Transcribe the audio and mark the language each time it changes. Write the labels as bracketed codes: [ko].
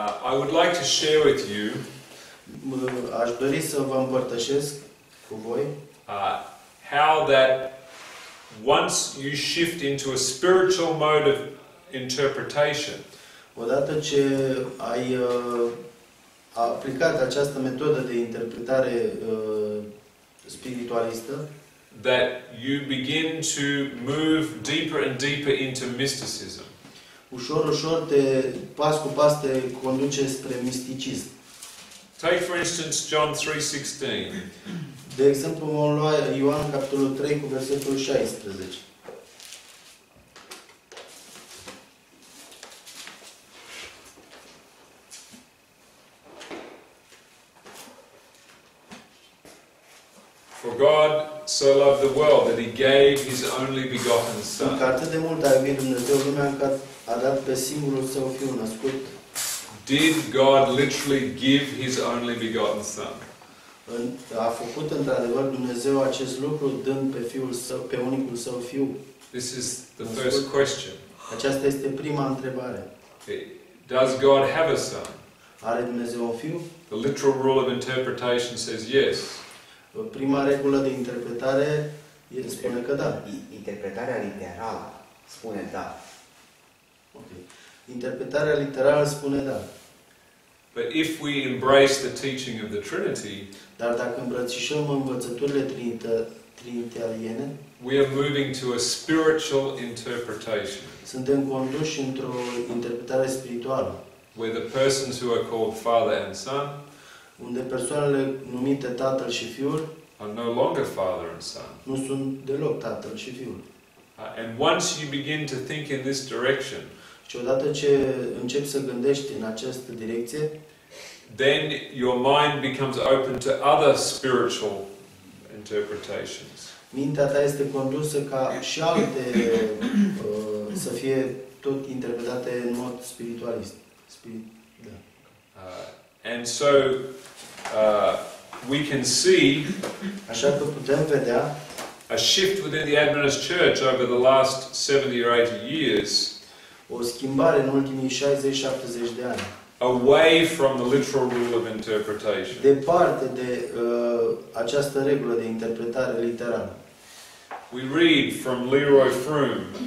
[en] I would like to share with you. [ro] Aș dori să vă împărtășesc cu voi. [en] How that once you shift into a spiritual mode of interpretation. [ro] Odată ce ai aplicat această metodă de interpretare spiritualistă. [en] That you begin to move deeper and deeper into mysticism. [ro] Ușor, ușor, te, pas cu pas, te conduce spre misticism. [en] Take for instance John 3:16. [ro] De exemplu, vom lua Ioan, capitolul 3, cu versetul 16. [en] For God so loved the world that he gave his only begotten son. [ro] Că atât de mult a iubit Dumnezeu lumea încât a dat pe singurul său fiu născut. [en] Did God literally give his only begotten son? [ro] A făcut într-adevăr Dumnezeu acest lucru dând pe fiul său, pe unicul său fiu. [en] This is the first question. [ro] Aceasta este prima întrebare. [en] Does God have a son? [ro] Are Dumnezeu un fiu? [en] The literal rule of interpretation says yes. [ro] Prima regulă de interpretare el spune că da. Interpretarea literală spune da. Okay. Interpretarea literală spune da. [en] But if we embrace the teaching of the Trinity, [ro] dar dacă îmbrățișăm învățăturile trinitariene, [en] we are moving to a spiritual interpretation. [ro] Suntem conduși într-o interpretare spirituală. [en] Where the persons who are called Father and Son, [ro] unde persoanele numite Tatăl și Fiul, [en] are no longer Father and Son. [ro] Nu sunt deloc Tatăl și Fiul. [en] And once you begin to think in this direction, [ro] și odată ce începi să gândești în această direcție, [en] then your mind becomes open to other spiritual interpretations. [ro] Mintea ta este condusă ca și alte să fie tot interpretate în mod spiritualist. Da. [en] And so we can see, [ro] așa că putem vedea, [en] a shift within the Adventist Church over the last 70 or 80 years. [ro] O schimbare în ultimii 60-70 de ani. [en] Away from the literal rule of interpretation. [ro] Departe de această regulă de interpretare literală. [en] We read from Leroy Froome.